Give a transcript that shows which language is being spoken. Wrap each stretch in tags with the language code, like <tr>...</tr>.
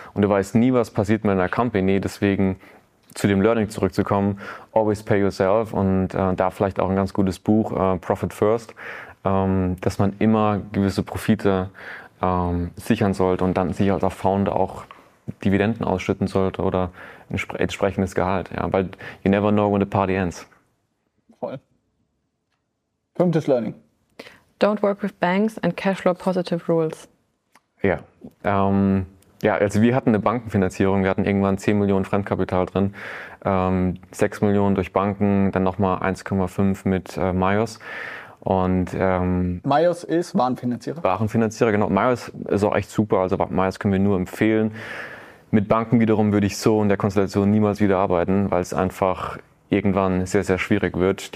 <de>Und du weißt nie, was passiert mit einer Company. Deswegen zu dem Learning zurückzukommen,</de> <en>always pay yourself</en> <de>und da vielleicht auch ein ganz gutes Buch, Profit First, dass man immer gewisse Profite sichern sollte und dann sich als Founder auch Dividenden ausschütten sollte oder ein entsprechendes Gehalt. Ja? Weil</de> <en>you never know when the party ends.</en> <de>Voll. Fünftes Learning.</de> <en>Don't work with banks and cashflow positive rules.</en> <de>Ja. Also wir hatten eine Bankenfinanzierung. Wir hatten irgendwann 10 Millionen Fremdkapital drin. 6 Millionen durch Banken, dann nochmal 1,5 mit Maios. Und Maios ist Warenfinanzierer. Warenfinanzierer, genau. Maios ist auch echt super. Also Maios können wir nur empfehlen. Mit Banken wiederum würde ich so in der Konstellation niemals wieder arbeiten, weil es einfach irgendwann sehr, sehr schwierig wird.</de>